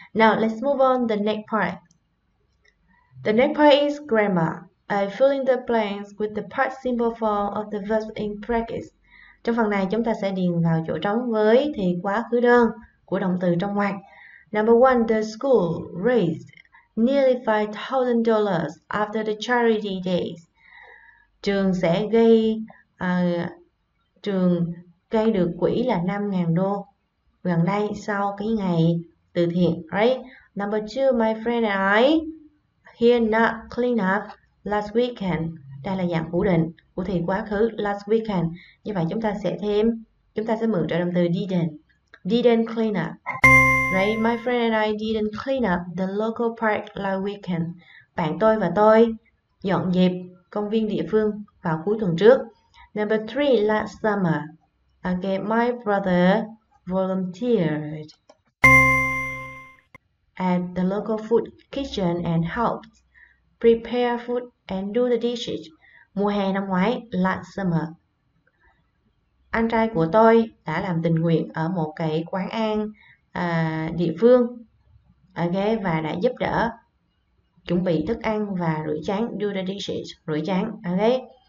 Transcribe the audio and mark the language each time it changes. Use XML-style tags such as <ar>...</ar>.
<en>Now let's move on to the next part. The next part is grammar. I fill in the blanks with the past simple form of the verb in practice.</en> <vi>Trong phần này chúng ta sẽ điền vào chỗ trống với thì quá khứ đơn của động từ trong ngoặc.</vi> <en>Number one, the school raised nearly $5,000 after the charity days.</en> <vi>Trường sẽ gây trường gây được quỹ là 5.000 đô gần đây sau cái ngày từ thiện,</vi> <en>right? Number two, my friend and I here not clean up last weekend.</en> <vi>Đây là dạng phủ định của thì quá khứ</vi> <en>last weekend.</en> <vi>Như vậy chúng ta sẽ mượn trợ động từ</vi> <en>didn't clean up. Right, my friend and I didn't clean up the local park last weekend.</en> <vi>Bạn tôi và tôi dọn dẹp công viên địa phương vào cuối tuần trước.</vi> <en>Number three, last summer. Okay, my brother volunteered at the local food kitchen and helped prepare food and do the dishes.</en> <vi>Mùa hè năm ngoái,</vi> <en>last summer.</en> <vi>Anh trai của tôi đã làm tình nguyện ở một cái quán ăn địa phương, okay, và đã giúp đỡ chuẩn bị thức ăn và rửa chén,</vi> <en>do the dishes,</en> <vi>rửa chén, okay.</vi>